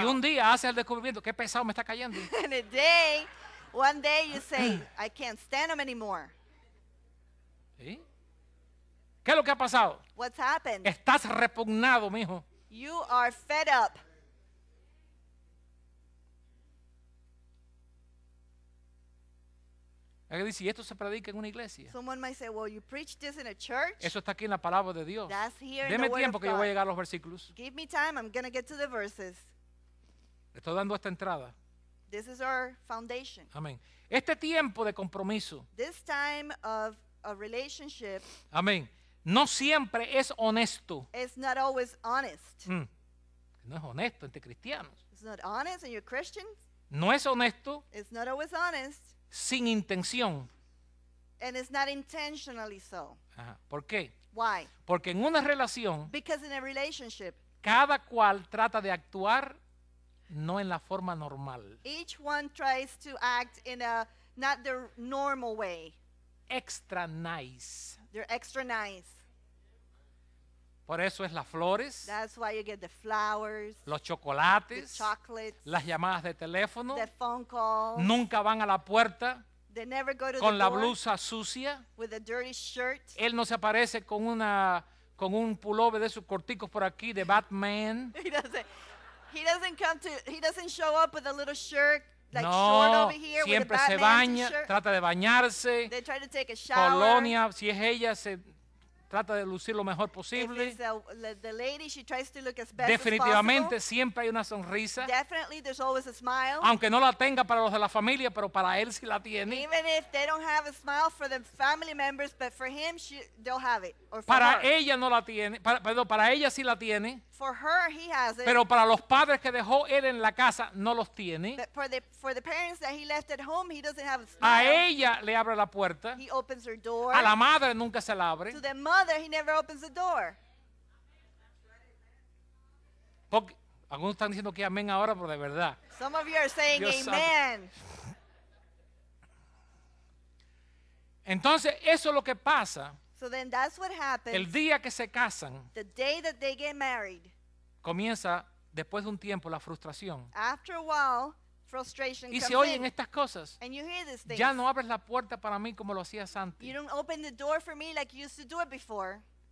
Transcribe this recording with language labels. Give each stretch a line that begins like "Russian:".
Spanish: Y un día hace el descubrimiento, qué pesado me está cayendo.
English: And a day, one day you say, I can't stand him anymore.
Spanish: ¿Sí? ¿Qué es lo que ha pasado?
English: What's happened?
Spanish: Estás repugnado, mijo.
English: You are fed up.
Spanish: Alguien dice, ¿y esto se predica en una iglesia?
English: Someone might say, well, you preach this in a church.
Spanish: Eso está aquí en la palabra de Dios.
English: That's here.
Spanish: Deme
English: in the
Spanish: tiempo
English: word
Spanish: que yo voy a llegar a los versículos.
English: Give me time, I'm gonna get to the verses.
Spanish: Estoy dando esta entrada.
English: This is our foundation.
Spanish: Amén. Este tiempo de compromiso.
English: This time of a relationship.
Spanish: Amén. No siempre es honesto.
English: It's not always honest.
Spanish: No es honesto entre cristianos.
English: It's not honest and you're Christians.
Spanish: No es honesto.
English: It's not always honest.
Spanish: Sin intención.
English: And it's not intentionally so.
Spanish: Ajá. ¿Por qué?
English: Why?
Spanish: Porque en una relación.
English: Because in a relationship.
Spanish: Cada cual trata de actuar no en la forma normal.
English: Each one tries to act in a not the normal way. Extra nice. They're extra nice.
Spanish: Por eso es las flores.
English: That's why you get the flowers.
Spanish: Los chocolates.
English: The chocolates.
Spanish: Las llamadas de teléfono.
English: The phone calls.
Spanish: Nunca van a la puerta.
English: They never go to the door.
Spanish: Con la blusa sucia.
English: With a dirty shirt.
Spanish: Él no se aparece con una con un pullover de sus corticos por aquí de Batman.
English: He doesn't show up with a little shirt. Like
Spanish: no,
English: over here
Spanish: siempre
English: with a
Spanish: se baña,
English: t-shirt.
Spanish: Trata de bañarse.
English: They try to take a shower.
Spanish: Colonia, si es ella, se trata de lucir lo mejor posible.
English: If it's the lady, she tries to look as best
Spanish: definitivamente
English: as possible.
Spanish: Siempre hay una sonrisa.
English: Definitely, there's always a smile.
Spanish: Aunque no la tenga para los de la familia, pero para él sí la tiene.
English: Even if they don't have a smile for the family members, but for him, they'll have it. Or for
Spanish: para
English: her.
Spanish: Ella no la tiene. Para ella sí la tiene.
English: For her, he has it.
Spanish: Pero para los padres que dejó él en la casa, no los tiene.
English: But for the parents that he left at home, he doesn't have a smile.
Spanish: A ella le abre la puerta.
English: He opens her door.
Spanish: A la madre nunca se la abre.
English: To the mother, he never opens the door.
Spanish: Porque, algunos están diciendo que amén ahora, pero de verdad.
English: Some of you are saying Dios amen.
Spanish: Entonces, eso es lo que pasa.
English: So then that's what happens.
Spanish: El día que se casan,
English: the day that they get married,
Spanish: comienza después de un tiempo la frustración.
English: After a while, frustration
Spanish: y
English: comes
Spanish: se oyen
English: in,
Spanish: estas cosas.
English: And you hear these things.
Spanish: Ya no abres la puerta para mí como lo hacías antes.
English: You don't open the door for me like you used to do it before.